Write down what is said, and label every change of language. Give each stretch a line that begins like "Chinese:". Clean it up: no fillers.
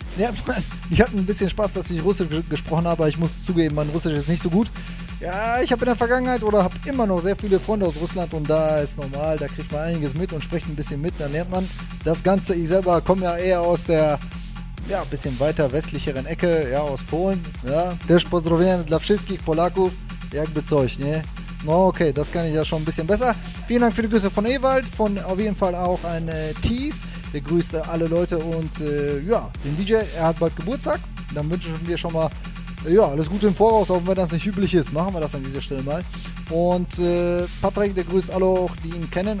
German: Ja, ich hatte ein bisschen Spaß, dass ich Russisch gesprochen habe. Ich muss zugeben, mein Russisch ist nicht so gut. Ja, ich habe in der Vergangenheit oder habe immer noch sehr viele Freunde aus Russland und da ist normal, da kriegt man einiges mit und spricht ein bisschen mit. Dann lernt man das Ganze. Ich selber komme ja eher aus der, ja, ein bisschen weiter westlicheren Ecke, ja, aus Polen.
Polish: Ja, Desh pozdrowien dla wszystkich Polaków.
German: Ja, bezeugt, ne? No, okay, das kann ich ja schon ein bisschen besser. Vielen Dank für die Grüße von Ewald, von auf jeden Fall auch ein Tease. Der grüßt alle Leute und ja, den DJ, er hat bald Geburtstag. Dann wünschen wir schon mal ja, alles Gute im Voraus, auch wenn das nicht üblich ist. Machen wir das an dieser Stelle mal. Und Patrick, der grüßt alle auch, die ihn kennen.